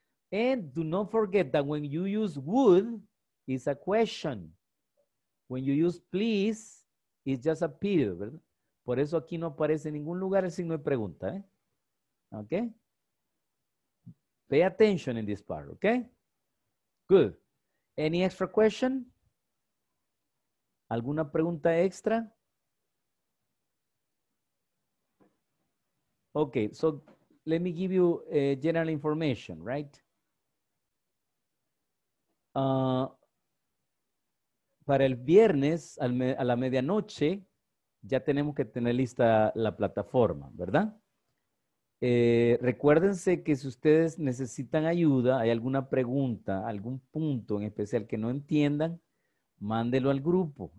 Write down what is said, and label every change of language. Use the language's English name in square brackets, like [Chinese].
[English] And do not forget that when you use would, it's a question. When you use please, it's just a period, ¿verdad? [Spanish] Por eso aquí no aparece en ningún lugar el signo de pregunta. [English] ¿Eh? Okay? Pay attention in this part, okay? Good. Any extra question? [Spanish] ¿Alguna pregunta extra? [English] Okay, so let me give you general information, right? [Spanish] para el viernes a la medianoche ya tenemos que tener lista la plataforma, ¿verdad? Recuérdense que si ustedes necesitan ayuda, hay alguna pregunta, algún punto en especial que no entiendan, mándelo al grupo.